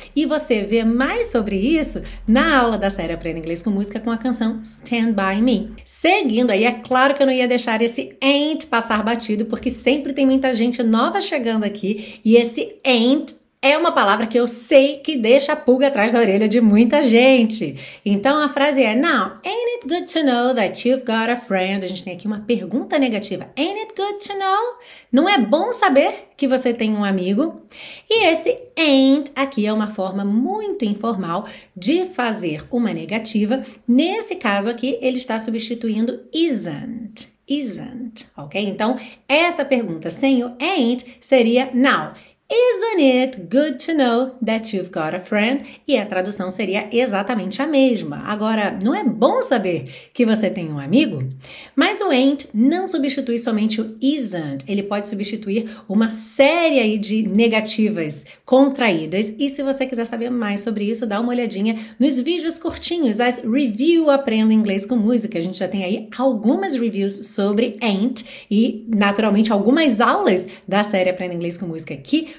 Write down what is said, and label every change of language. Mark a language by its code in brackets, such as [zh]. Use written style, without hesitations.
[pt] E você vê mais sobre isso na aula da série Aprenda Inglês com Música com a canção Stand By Me. Seguindo aí, é claro que eu não ia deixar esse ain't passar batido, porque sempre tem muita gente nova chegando aqui e esse ain't é uma palavra que eu sei que deixa a pulga atrás da orelha de muita gente. Então a frase é: [en] Now, ain't it good to know that you've got a friend? [pt] A gente tem aqui uma pergunta negativa. [en] Ain't it good to know? [pt] Não é bom saber que você tem um amigo? E esse ain't aqui é uma forma muito informal de fazer uma negativa. Nesse caso aqui, ele está substituindo isn't. Isn't, ok? Então essa pergunta sem o ain't seria now. [en] Isn't it good to know that you've got a friend? [pt] E a tradução seria exatamente a mesma. Agora, não é bom saber que você tem um amigo? Mas o ain't não substitui somente o isn't. Ele pode substituir uma série aí de negativas contraídas. E se você quiser saber mais sobre isso, dá uma olhadinha nos vídeos curtinhos, as review Aprenda Inglês com Música. A gente já tem aí algumas reviews sobre ain't e, naturalmente, algumas aulas da série Aprenda Inglês com Música aqui.